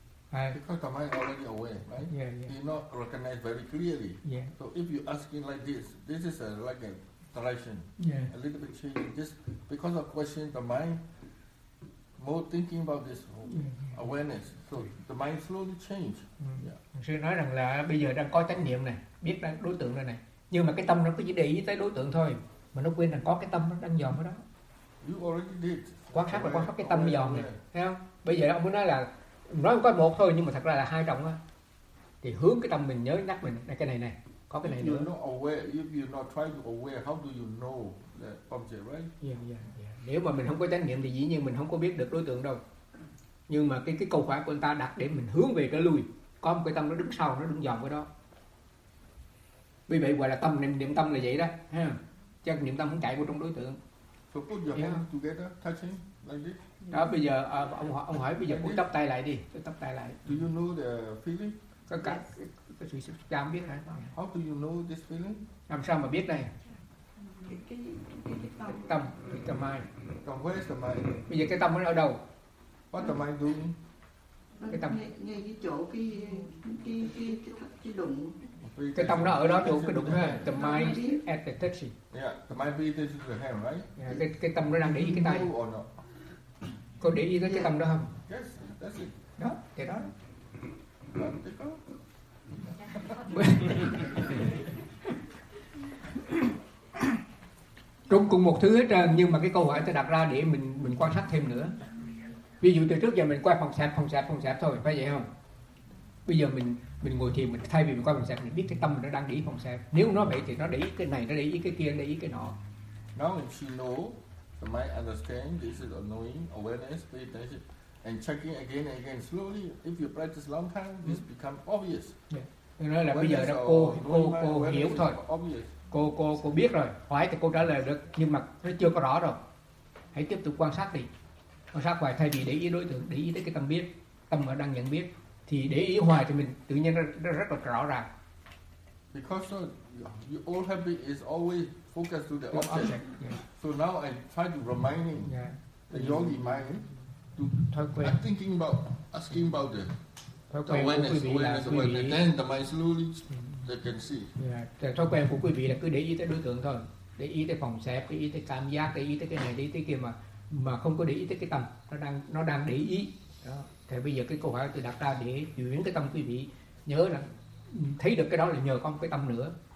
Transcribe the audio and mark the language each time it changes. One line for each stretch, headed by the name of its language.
English: Because the mind already aware, right? Yeah. You not recognize very clearly. Yeah. So if you asking like this, this is a, like a direction. Yeah. A little bit change. Just because of question, the mind more thinking about this awareness. So the mind slowly change. Yeah.
Vietnamese: Sư nói rằng là bây giờ đang có chánh niệm này, biết đang đối tượng rồi này. Nhưng mà cái tâm nó cứ chỉ để ý tới đối tượng thôi, mà nó quên rằng có cái tâm nó đang dòm ở đó.
English: You already did.
Vietnamese: Quan sát và quan sát cái tâm dòm này, thấy không? Bây giờ ông muốn nói là nói có một thôi nhưng mà thật ra là hai trọng á, thì hướng cái tâm mình nhớ nhắc mình này, cái này này có cái này
English: if
Vietnamese: nữa.
English: You're not aware, if you're not trying to aware, how do you know that object, right? Yeah, yeah, yeah.
Vietnamese: Nếu mà mình không có chánh niệm thì dĩ nhiên mình không có biết được đối tượng đâu. Nhưng mà cái câu hỏi của anh ta đặt để mình hướng về cái lui, có một cái tâm nó đứng sau, nó đứng dòm cái đó. Vì vậy gọi là tâm niệm tâm là vậy đó, ha. Chứ niệm tâm không chạy vô trong đối tượng.
English: So put your hand together, touching like this.
Vietnamese: Đó bây giờ ông hỏi bây giờ cô chắp tay lại đi, tôi chắp tay lại.
English: Do you know the feeling? How do you know this feeling?
Vietnamese: Làm sao mà biết này?
English: Tâm where is the mind?
Vietnamese: Bây giờ cái tâm nó ở đâu?
English: What the mind doing?
Vietnamese: Cái tâm ngay cái chỗ cái đụng. Cái tâm nó ở đó chỗ cái đụng ha.
English: The mind at the touch. Yeah, the mind be this is the hand, right?
Vietnamese: Yeah, cái tâm nó đang để ý cái tay.
English: Or not?
Vietnamese: Có để ý tới cái tâm đó không?
English: Yes, that's it.
Vietnamese: Đó, cái đó. Trong cùng một thứ hết trơn, nhưng mà cái câu hỏi ta đặt ra để mình quan sát thêm nữa. Ví dụ từ trước giờ mình qua phòng sạp thôi, phải vậy không? Bây giờ mình ngồi thiền, mình thay vì mình qua phòng sạp, mình biết cái tâm nó đang để ý phòng sạp. Nếu nó vậy thì nó để ý cái này, nó để ý cái kia, nó để ý cái nọ.
English: Now if you know, the mind understand, this is annoying, awareness, meditation, and checking again and again slowly. If you practice long time, this become obvious. Yeah.
Vietnamese: Nói là bây giờ là cô hiểu thôi.
English: Obvious.
Vietnamese: Cô biết rồi, hỏi thì cô trả lời được, nhưng mà nó chưa có rõ rồi. Hãy tiếp tục quan sát đi. Quan sát hoài thay vì để ý đối tượng, để ý tới cái tâm biết, tâm mà đang nhận biết. Thì để ý hoài thì mình tự nhiên nó rất là rõ ràng.
English: Because your old habit is always focused to the object. Yeah. So now I try to remind him, the yogi mind, to
Vietnamese: thói quen.
English: I'm thinking about, asking about the awareness. Then the mind slowly... They can see.
Vietnamese: Thói quen của quý vị là cứ để ý tới đối tượng thôi, để ý tới phòng xẹp, để ý tới cảm giác, để ý tới cái này, để ý tới kia mà không có để ý tới cái tâm nó đang để ý. Đó. Thì bây giờ cái câu hỏi tôi đặt ra để chuyển cái tâm quý vị nhớ là thấy được cái đó là nhờ có một cái tâm nữa.